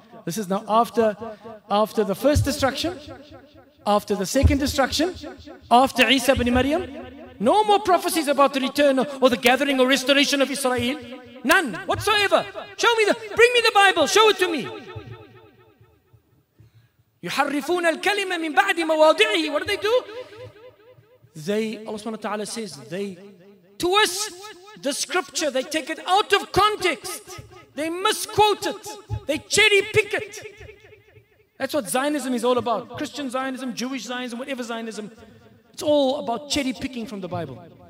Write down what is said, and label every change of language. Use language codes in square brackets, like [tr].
[en] This is now after the first destruction, after the second destruction, after Isa ibn Maryam. No more prophecies about the return or the gathering or restoration of Israel. None whatsoever. Show me the, bring me the Bible, show it to me. [ar] يحرفون الكلمة من بعد مواضعه. [en] What do? They, Allah subhanahu wa ta'ala says, they twist the scripture, they take it out of context, they misquote it, they cherry pick it. That's what Zionism is all about. Christian Zionism, Jewish Zionism, whatever Zionism, it's all about cherry picking from the Bible.